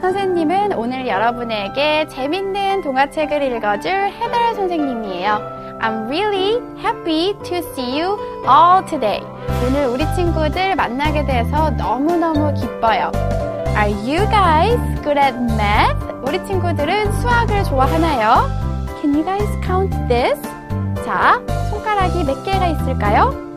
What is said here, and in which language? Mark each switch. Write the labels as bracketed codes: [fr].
[ko] 선생님은 오늘 여러분에게 재밌는 동화책을 읽어줄 헤더 선생님이에요. [en] I'm really happy to see you all today. [ko] 오늘 우리 친구들 만나게 돼서 너무너무 기뻐요. [en] Are you guys good at math? [ko] 우리 친구들은 수학을 좋아하나요? [en] Can you guys count this? [ko] 자, 손가락이 몇 개가 있을까요?